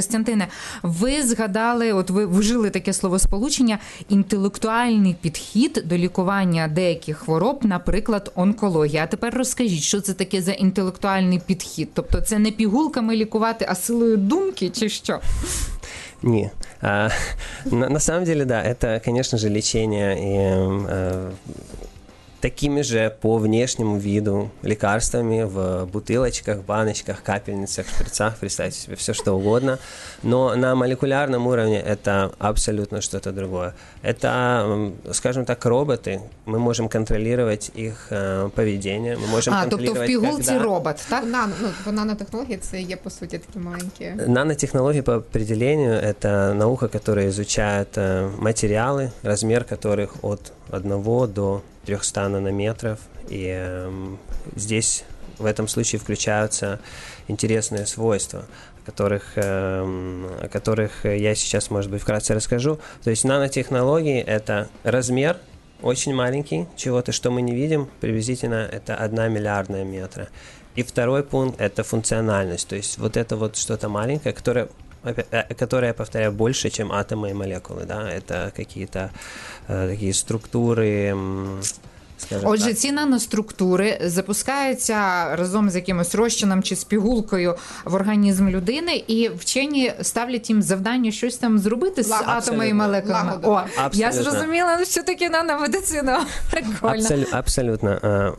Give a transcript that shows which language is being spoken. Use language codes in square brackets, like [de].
[uk] Костянтине, ви згадали, от ви вжили таке словосполучення, інтелектуальний підхід до лікування деяких хвороб, наприклад, онкологія. А тепер розкажіть, що це таке за інтелектуальний підхід? Тобто це не пігулками лікувати, а силою думки, чи що? Ні. [ru] На самом деле, да, это, конечно же, лечение и такими же по внешнему виду лекарствами в бутылочках, баночках, капельницах, шприцах, представьте себе, все что угодно. Но на молекулярном уровне это абсолютно что-то другое. Это, скажем так, роботы. Мы можем контролировать их поведение. Мы можем контролировать, [uk] тобто в пігулці робот, так? По нанотехнології це є, по суті, такі маленькі. [ru] Нанотехнологии по определению – это наука, которая изучает материалы, размер которых от 1 до 300 нанометров, и здесь в этом случае включаются интересные свойства, о которых я сейчас, может быть, вкратце расскажу. То есть нанотехнологии – это размер очень маленький чего-то, что мы не видим, приблизительно это 1 миллиардная метра. И второй пункт – это функциональность, то есть вот это вот что-то маленькое, которое, я повторяю, больше, чем атомы и молекулы, да, это какие-то такие структуры, [uk] скажімо. Отже, так. Ці наноструктури запускаються разом з якимось розчином чи з пігулкою в організм людини, і вчені ставлять їм завдання щось там зробити з атомами і молекулами. О, я зрозуміла, що таке наномедицина. Абсолютно.